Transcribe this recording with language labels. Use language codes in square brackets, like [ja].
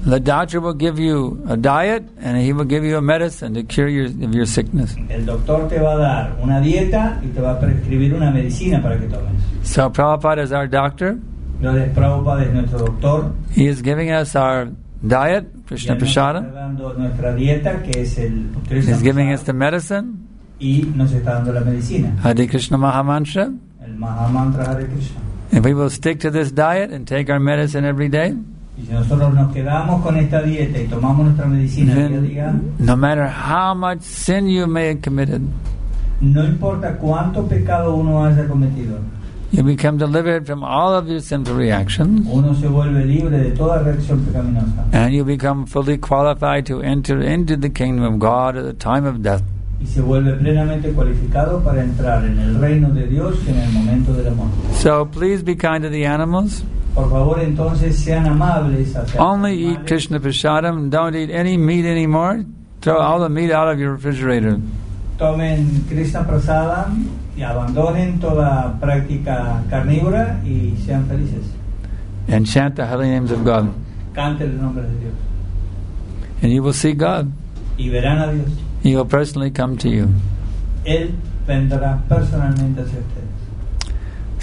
[en] the doctor will give you a diet and he will give you a medicine to cure you of your sickness. [es] El doctor te va a dar una dieta y te va a prescribir una medicina para que tomes. [en] So Prabhupada is our doctor. He is giving us our diet, Krishna Prasadam. He is giving us the medicine. [es] Y nos está dando la medicina. [en] Hare Krishna Mahamantra. [es] El Mahamantra Hare Krishna. [en] If we will stick to this diet and take our medicine every day, no matter how much sin you may have committed, [es] no importa cuánto pecado uno haya cometido, [en] you become delivered from all of your sinful reactions. [es] Uno se vuelve libre de toda reacción pecaminosa. [en] And you become fully qualified to enter into the kingdom of God at the time of death. [es] Y se vuelve plenamente cualificado para entrar en el reino de Dios en el momento de la muerte. [en] So please be kind to the animals. [es] Por favor, entonces, sean amables hacia [en] only [es] animales. [en] Eat Krishna Prasadam. Don't eat any meat anymore. Throw all the meat out of your refrigerator. [es] Tomen Krishna Prasadam. Y abandonen toda práctica carnívora y sean felices. [en] And chant the holy names of God. [es] Cante los nombres de Dios. [en] And you will see God. [es] Y verán a Dios. [en] He will personally come to you. [es] Él vendrá personalmente hacia ustedes.